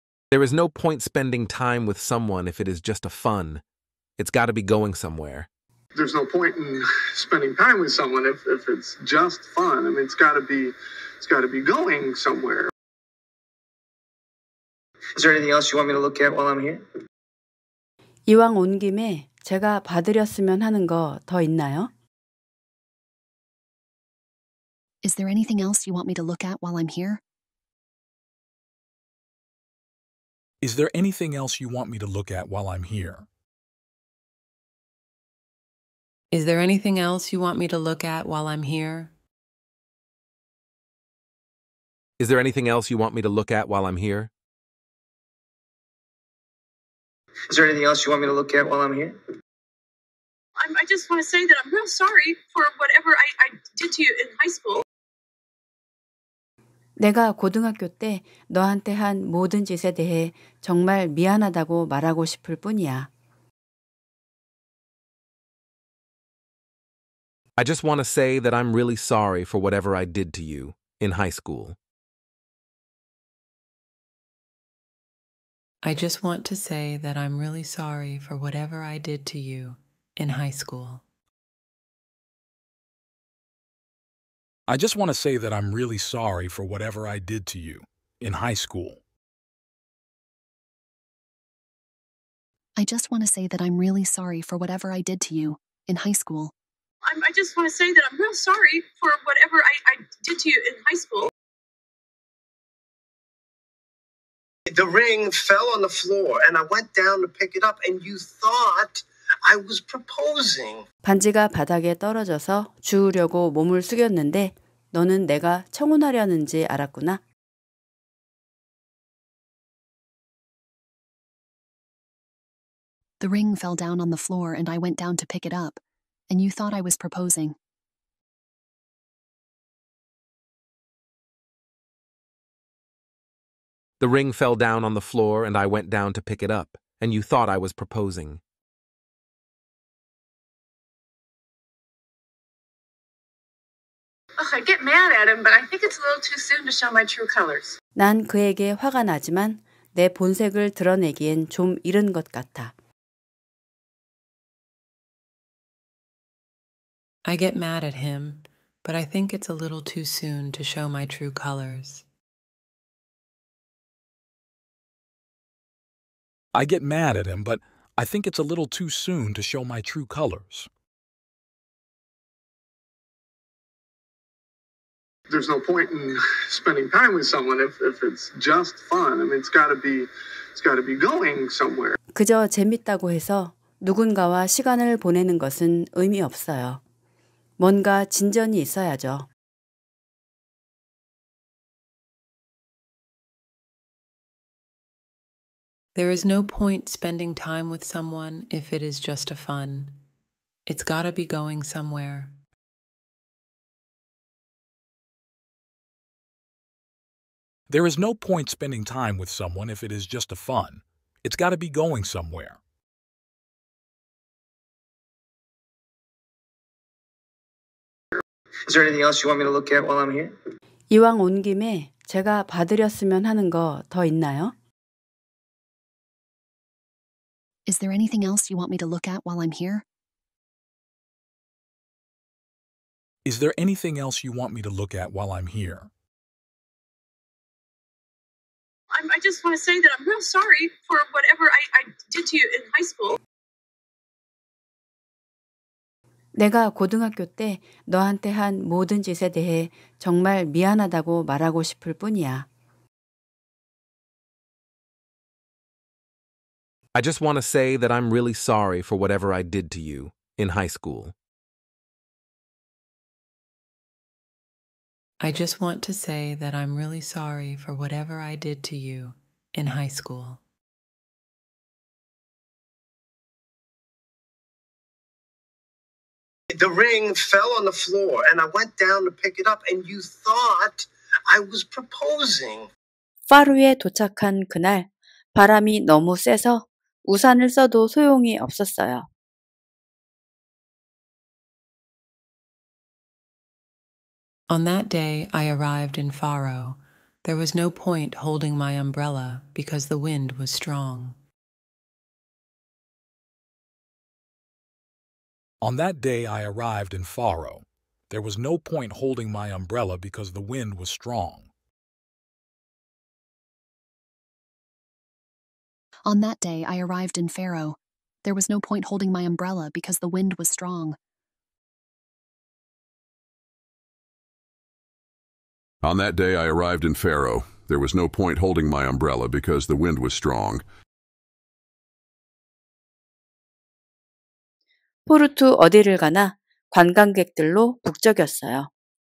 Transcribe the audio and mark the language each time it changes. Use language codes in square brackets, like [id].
[en] There is no point spending time with someone if it is just a fun. It's got to be going somewhere. There's no point in spending time with someone if it's just fun. I mean, it's got to be going somewhere. Is there anything else you want me to look at while I'm here? [ko] 이왕 온 김에 제가 봐드렸으면 하는 거 더 있나요? [en] Is there anything else you want me to look at while I'm here? Is there anything else you want me to look at while I'm here? Is there anything else you want me to look at while I'm here? Is there anything else you want me to look at while I'm here? Is there anything else you want me to look at while I'm here? I just want to say that I'm real sorry for whatever I did to you in high school. [ko] 내가 고등학교 때 너한테 한 모든 짓에 대해 정말 미안하다고 말하고 싶을 뿐이야. [en] I just want to say that I'm really sorry for whatever I did to you in high school. I just want to say that I'm really sorry for whatever I did to you in high school. I just want to say that I'm really sorry for whatever I did to you in high school. I just want to say that I'm really sorry for whatever I did to you in high school. I just want to say that I'm real sorry for whatever I did to you in high school. The ring fell on the floor and I went down to pick it up and you thought I was proposing. [ko] 반지가 바닥에 떨어져서 주우려고 몸을 숙였는데 너는 내가 청혼하려는지 알았구나. [en] The ring fell down on the floor and I went down to pick it up. And you thought I was proposing. The ring fell down on the floor and I went down to pick it up. And you thought I was proposing. Ugh, I get mad at him, but I think it's a little too soon to show my true colors. [ko] 난 그에게 화가 나지만 내 본색을 드러내기엔 좀 이른 것 같아. [en] I get mad at him, but I think it's a little too soon to show my true colors. I get mad at him, but I think it's a little too soon to show my true colors. There's no point in spending time with someone if it's just fun. I mean, it's got to be going somewhere. [ko] 그저 재밌다고 해서 누군가와 시간을 보내는 것은 의미 없어요. 뭔가 진전이 있어야죠. [en] There is no point spending time with someone if it is just a fun. It's got to be going somewhere. There is no point spending time with someone if it is just a fun. It's got to be going somewhere. Is there anything else you want me to look at while I'm here? [ko] 이왕 온 김에 제가 봐드렸으면 하는 거 더 있나요? [en] Is there anything else you want me to look at while I'm here? Is there anything else you want me to look at while I'm here? I just want to say that I'm real sorry for whatever I did to you in high school. [ko] 내가 고등학교 때 너한테 한 모든 짓에 대해 정말 미안하다고 말하고 싶을 뿐이야. [en] I just want to say that I'm really sorry for whatever I did to you in high school. I just want to say that I'm really sorry for whatever I did to you in high school. The ring fell on the floor and I went down to pick it up and you thought I was proposing. [ko] 파루에 도착한 그날 바람이 너무 세서 우산을 써도 소용이 없었어요. [en] On that day, I arrived in Faro. There was no point holding my umbrella because the wind was strong. On that day, I arrived in Faro. There was no point holding my umbrella because the wind was strong. On that day, I arrived in Faro. There was no point holding my umbrella because the wind was strong. On that day, I arrived in Faro. There was no point holding my umbrella because the wind was strong. [ko] 포르투 어디를 가나 관광객들로 북적였어요.